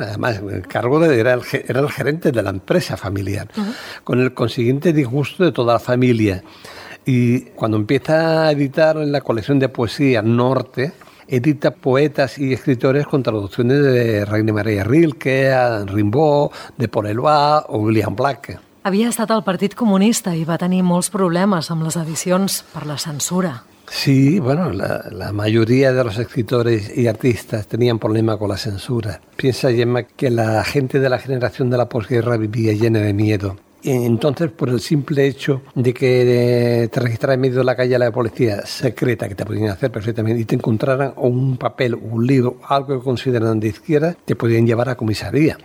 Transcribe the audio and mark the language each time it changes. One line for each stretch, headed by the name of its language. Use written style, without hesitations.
Spanish: Además, el cargo era el gerente de la empresa familiar. Uh-huh. Con el consiguiente disgusto de toda la familia. Y cuando empieza a editar en la colección de poesía Norte, edita poetas y escritores con traducciones de Rainer Maria Rilke, Rimbaud, de Paul Eloi o William Black.
Catalan: Havia estat al Partit Comunista i va tenir molts problemes amb les edicions per la censura.
Spanish: Sí, bueno, la mayoría de los escritores y artistas tenían problema con la censura. Piensa, Gemma, que la gente de la generación de la posguerra vivía llena de miedo. Y entonces, por el simple hecho de que te registraran en medio de la calle a la policía secreta, que te podían hacer perfectamente, y te encontraran un papel, un libro, algo que consideran de izquierda, te podían llevar a comisaría.